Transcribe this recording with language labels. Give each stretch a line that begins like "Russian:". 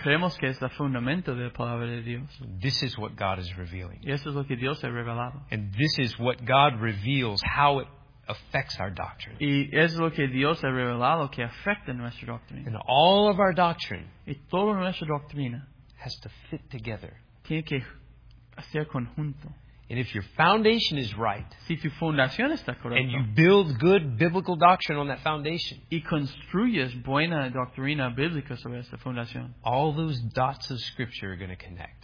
Spanish: Creemos que es el fundamento de la palabra de Dios.
English: This is what God is revealing.
Spanish: Y eso es lo que Dios ha revelado.
English: And this is what God reveals, how it affects our doctrine.
Spanish: Y es lo que Dios ha revelado que afecta nuestra doctrina.
English: And all of our doctrine,
Spanish: y toda nuestra doctrina,
English: has to fit together.
Spanish: Tiene que hacer conjunto.
English: And if your foundation is right,
Spanish: si tu fundación está correcta,
English: and you build good biblical doctrine on that foundation,
Spanish: y construyes buena doctrina bíblica sobre esta fundación,
English: all those dots of Scripture are going to connect.